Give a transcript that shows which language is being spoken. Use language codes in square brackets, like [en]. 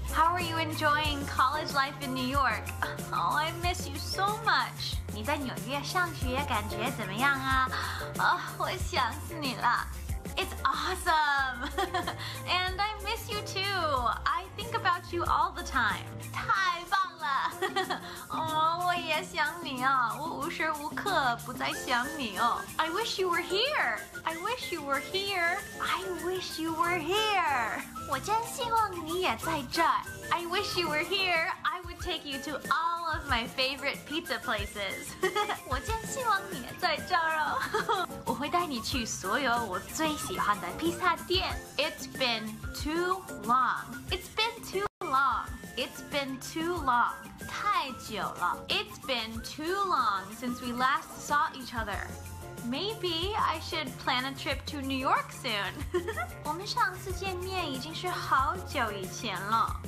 [en] How are you enjoying college life in New York? Oh, I miss you so much. [zh] 你在纽约上学感觉怎么样啊？ Oh, 我想死你了。 [en] It's awesome! And I miss you too! I think about you all the time! [zh] 太棒了!哦，我也想你哦！我无时无刻不在想你哦！ [en] I wish you were here! I wish you were here! I wish you were here! [zh] 我真希望你也在这儿！ [en] I wish you were here! I would take you to all of my favorite pizza places! [zh] 我真希望你也在这儿哦！我会带你去所有我最喜欢的披萨店。 [en] It's been too long. It's been too long. It's been too long. [zh] 太久了。 [en] It's been too long since we last saw each other. Maybe I should plan a trip to New York soon. [zh] 我们上次见面已经是好久以前了。